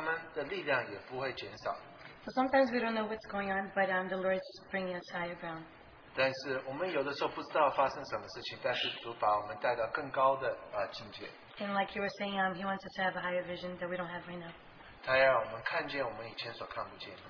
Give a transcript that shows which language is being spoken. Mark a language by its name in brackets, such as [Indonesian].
[Chinese] 所以这个老鹰他们到老了他们的力量也不会减少. [English] So sometimes we don't know what's going on, but the Lord is bringing us higher ground. [Chinese] 但是我们有的时候不知道发生什么事情, 但是主把我们带到更高的, [English] and like you were saying, he wants us to have a higher vision that we don't have right now. [Chinese] 他要我们看见我们以前所看不见.